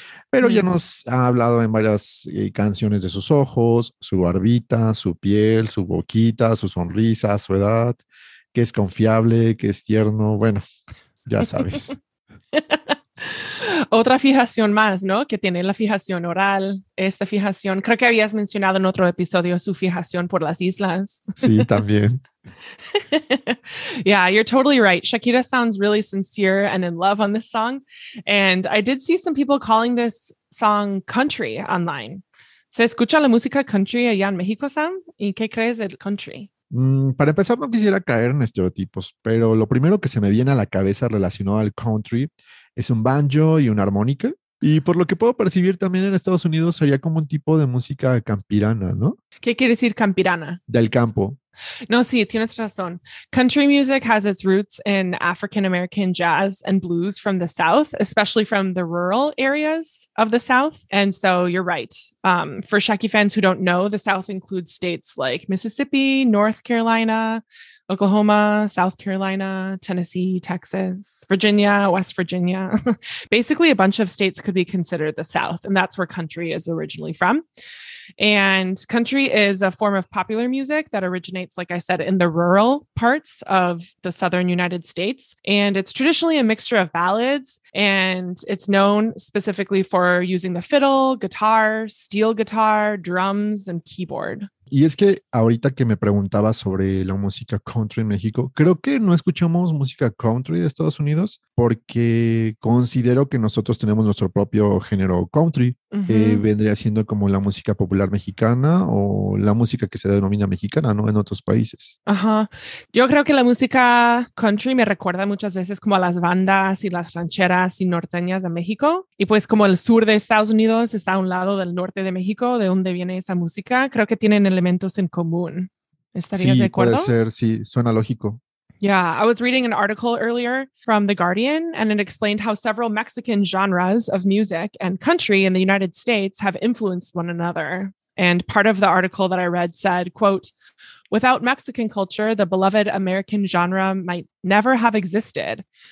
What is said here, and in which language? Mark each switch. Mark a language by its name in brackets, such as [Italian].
[Spanish] Pero ya nos ha hablado en varias canciones de sus ojos, su barbita, su piel, su boquita, su sonrisa, su edad, que es confiable, que es tierno, bueno, ya sabes. Otra fijación más, ¿no? Que tiene la fijación oral, esta fijación. Creo que habías mencionado en otro episodio su fijación por las islas. Sí, también. [English] Yeah, you're totally right. Shakira sounds really sincere and in love on this song. And I did see some people calling this song country online. [Spanish] ¿Se escucha la música country allá en México, Sam? ¿Y qué crees del country? Para empezar, no quisiera caer en estereotipos, pero lo primero que se me viene a la cabeza relacionado al country es un banjo y una armónica. Y por lo que puedo percibir también en Estados Unidos sería como un tipo de música campirana, ¿no? ¿Qué quiere decir campirana? Del campo. No, sí, tienes razón. [English] Country music has its roots in African American jazz and blues from the South, especially from the rural areas of the South. And so you're right. For Shaki fans who don't know, the South includes states like Mississippi, North Carolina, Oklahoma, South Carolina, Tennessee, Texas, Virginia, West Virginia. Basically, a bunch of states could be considered the South, and that's where country is originally from. And country is a form of popular music that originates, like I said, in the rural parts of the southern United States. And it's traditionally a mixture of ballads, and it's known specifically for using the fiddle, guitar, steel guitar, drums, and keyboard. [Spanish] Y es que ahorita que me preguntaba sobre la música country en México, creo que no escuchamos música country de Estados Unidos porque considero que nosotros tenemos nuestro propio género country, uh-huh. que vendría siendo como la música popular mexicana o la música que se denomina mexicana, ¿no? En otros países. Ajá. Yo creo que la música country me recuerda muchas veces como a las bandas y las rancheras y norteñas de México. Y pues como el sur de Estados Unidos está a un lado del norte de México, de donde viene esa música, creo que tienen elementos en común. ¿Estarías sí, de acuerdo? Puede ser, sí, suena lógico. [English] Yeah, I was reading an article earlier from The Guardian, and it explained how several Mexican genres of music and country in the United States have influenced one another. And part of the article that I read said, quote, without Mexican culture, the beloved American genre might never have existed.